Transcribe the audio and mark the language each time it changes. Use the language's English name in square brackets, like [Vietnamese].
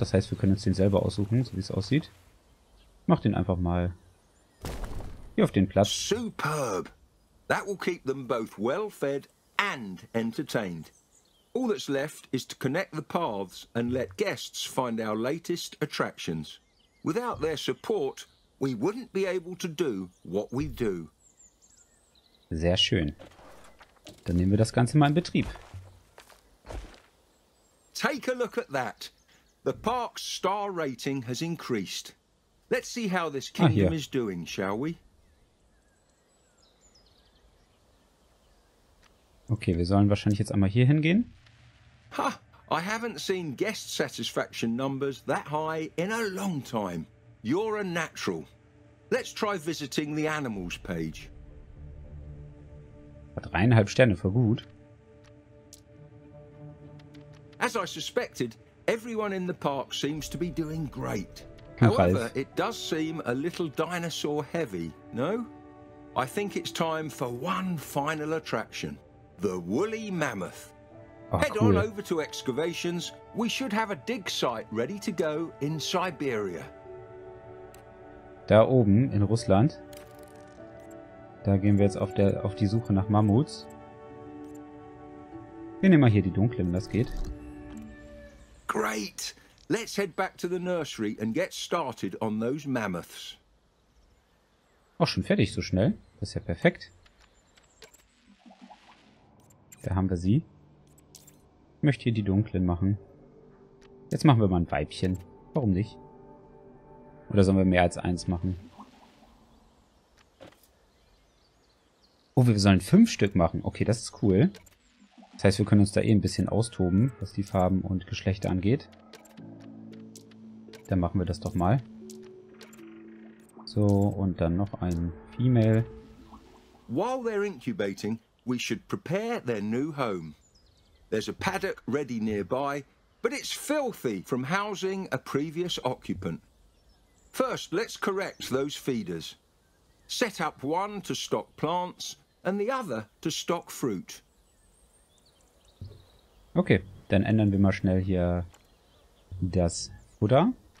[German] Das heißt, wir können uns den selber aussuchen, so wie es aussieht. Ich mach den einfach mal hier auf den Platz. [English] Superb! That will keep them both well fed and entertained. All that's left is to connect the paths and let guests find our latest attractions. Without their support, we wouldn't be able to do what we do. [German] Sehr schön. Dann nehmen wir das Ganze mal in Betrieb. [English] Take a look at that. The park's star rating has increased. Let's see how this kingdom is doing, shall we? [German] Okay, wir sollen wahrscheinlich jetzt einmal hier hingehen. [English] Ha! I haven't seen guest satisfaction numbers that high in a long time. You're a natural. Let's try visiting the animals page. [German] Dreieinhalb Sterne, voll gut. [English] As I suspected, everyone in the park seems to be doing great. Ach, however, it does seem a little dinosaur heavy, no? I think it's time for one final attraction, the woolly mammoth. Oh, head cool. on over to excavations. We should have a dig site ready to go in Siberia. [German] Da oben in Russland. Da gehen wir jetzt auf die Suche nach Mammuts. Wir nehmen mal hier die dunklen, das geht. [English] Great. Let's head back to the nursery and get started on those mammoths. [German] Auch schon fertig so schnell. Das ist ja perfekt. Da haben wir sie. Ich möchte hier die dunklen machen. Jetzt machen wir mal ein Weibchen. Warum nicht? Oder sollen wir mehr als eins machen? Oh, wir sollen 5 Stück machen. Okay, das ist cool. Das heißt, wir können uns da eh ein bisschen austoben, was die Farben und Geschlechter angeht. Dann machen wir das doch mal. So, und dann noch ein Female. [English] While they're incubating, we should prepare their new home. There's a paddock ready nearby, but it's filthy from housing a previous occupant. First, let's correct those feeders. Set up one to stock plants and the other to stock fruit. [German] Okay, dann ändern wir mal schnell hier das Futter.